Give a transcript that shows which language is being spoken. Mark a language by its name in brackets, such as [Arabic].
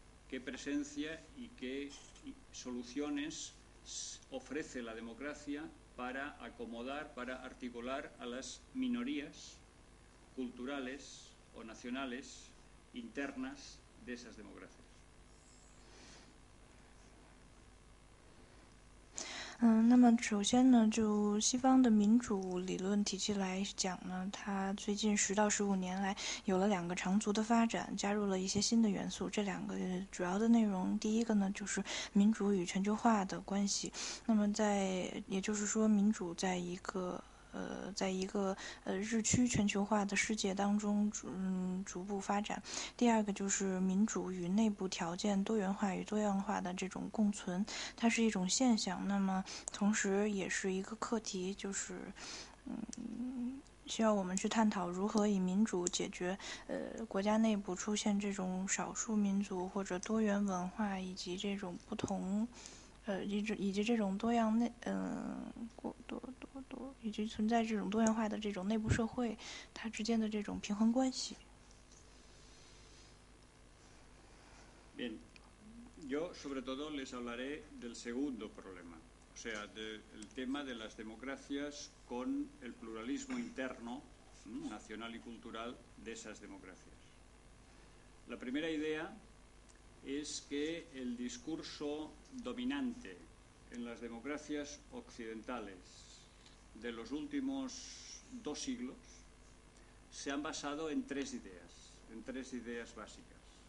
[Spanish] ¿Qué presencia y qué soluciones ofrece la democracia para acomodar, para articular a las minorías culturales o nacionales internas de esas democracias? [Chinese] 那么首先呢，就西方的民主理论体系来讲呢，它最近10到15年来有了两个长足的发展，加入了一些新的元素。这两个主要的内容，第一个呢就是民主与全球化的关系。那么在，也就是说，民主在一个日趋全球化的世界当中逐步发展。第二个就是民主与内部条件多元化与多样化的这种共存，它是一种现象，那么同时也是一个课题，就是需要我们去探讨如何以民主解决国家内部出现这种少数民族或者多元文化以及这种不同以及这种多样内过多多多以及存在这种多元化的这种内部社会它之间的这种平衡关系。 [Spanish] Bien, yo sobre todo les hablaré del segundo problema, o sea, del tema de las democracias con el pluralismo interno, nacional y cultural de esas democracias. La primera idea es que el discurso dominante en las democracias occidentales de los últimos 2 siglos se han basado en tres ideas básicas,